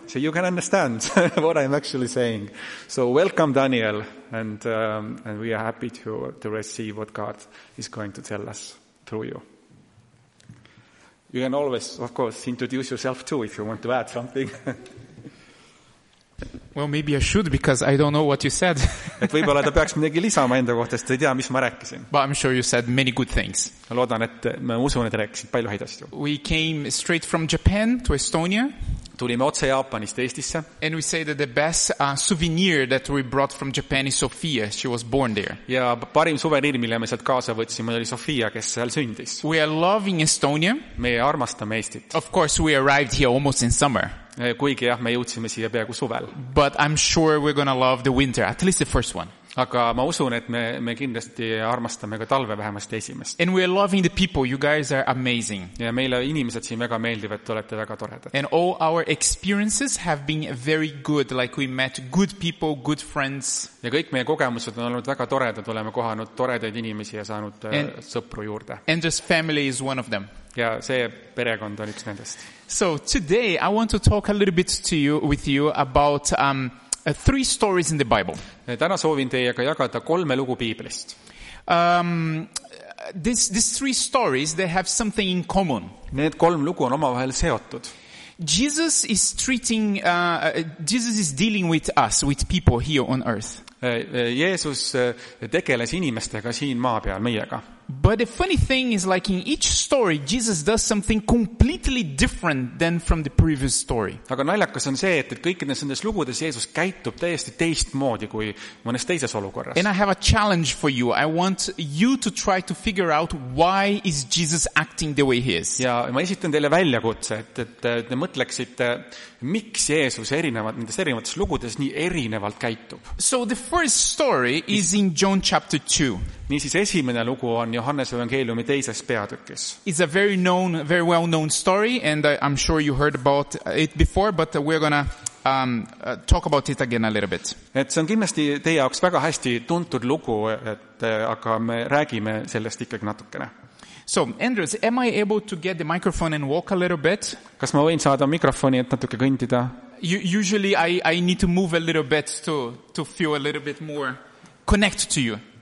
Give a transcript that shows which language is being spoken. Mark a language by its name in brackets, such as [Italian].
[English] So you can understand what I'm actually saying. So welcome, Daniel, and we are happy to receive what God is going to tell us through you. You can always, of course, introduce yourself too if you want to add something. Well, maybe I should because I don't know what you said. [Estonian] Et võib-olla ta peaks midagi lisama enda kohta, sest ei tea, mis ma rääkisin. [English] But I'm sure you said many good things. [Estonian] Ma loodan, et ma usun, et rääkisid palju häid asju. [English] We came straight from Japan to Estonia. [Estonian] Tulime otse Jaapanist Eestisse. [English] And we say that the best souvenir that we brought from Japan is Sofia. She was born there. [Estonian] Ja parim suveniir, mille me sealt kaasa võtsime, oli Sofia, kes seal sündis. [English] We are loving Estonia. [Estonian] Me armastame Eestit. [English] Of course, we arrived here almost in summer. [Estonian] Kuigi jah, me jõudsime siia peagu suvel. [English] But I'm sure we're gonna love the winter, at least the first one. [Estonian] Aga ma usun, et me kindlasti armastame ka talve vähemasti esimest. [English] And we are loving the people, you guys are amazing. [Estonian] Ja meile inimesed siin väga meeldivad, te olete väga toredad. [English] And all our experiences have been very good, like we met good people, good friends. [Estonian] Ja kõik meie kogemused on olnud väga toredad, oleme kohanud toredaid inimesi ja saanud sõpru juurde. [English] And this family is one of them. [Estonian] Ja see perekond on üks nendest. [English] So today I want to talk a little bit to you with you about three stories in the Bible. [Estonian] Täna soovin teiega jagada kolme lugu piiblist. [English] These three stories, they have something in common. [Estonian] Need kolm lugu on omavahel seotud. [English] Jesus is dealing with us, with people here on earth. [Estonian] Jeesus tegeles inimestega siin maa peal meiega. [English] But the funny thing is like in each story Jesus does something completely different than from the previous story. [Estonian] Aga naljakas on see, et kõikides nendes lugudes Jeesus käitub täiesti teistmoodi kui mõnes teises olukorras. [English] And I have a challenge for you. I want you to try to figure out why is Jesus acting the way he is. [Estonian] Ja ma esitan teile väljakutse, et te mõtleksite, miks Jeesus erinevates lugudes nii erinevalt käitub. [English] So the first story is in John chapter 2. [Estonian] Nii siis esimene lugu on Johannes evangeeliumi teises peatükis. [English] It's a very known, very well known story and I'm sure you heard about it before, but we're gonna talk about it again a little bit. [Estonian] Et see on kindlasti teie jaoks väga hästi tuntud lugu, et aga me räägime sellest ikkagi natukene. [English] So, Andres, am I able to get the microphone and walk a little bit? [Estonian] Kas ma võin saada mikrofoni, et natuke kõndida? [English] Usually I need to move a little bit to feel a little bit more connected to you.